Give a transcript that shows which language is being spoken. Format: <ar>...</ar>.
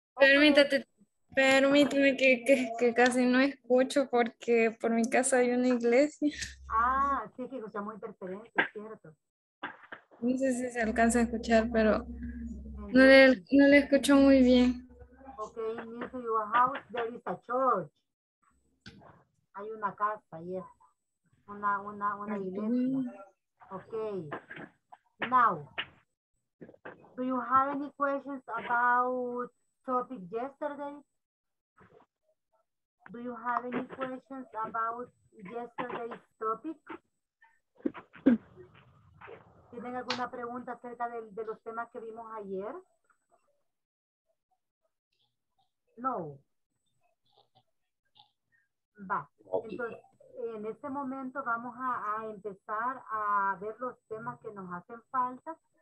<es>Permítate, permíteme que casi no escucho porque por mi casa hay una iglesia. Ah, sí, que escucha muy interferente, cierto. No sé si se alcanza a escuchar, pero no le escucho muy bien.</es> <en>Okay, near to your house there is a church.</en> <es>Hay una casa, yes. Una iglesia. Okay. Now.</es> <en>Do you have any questions about topic yesterday? Do you have any questions about yesterday's topic?</en> <es>¿Tienen alguna pregunta acerca de los temas que vimos ayer? No. Va. Entonces, en este momento vamos a empezar a ver los temas que nos hacen falta.</es>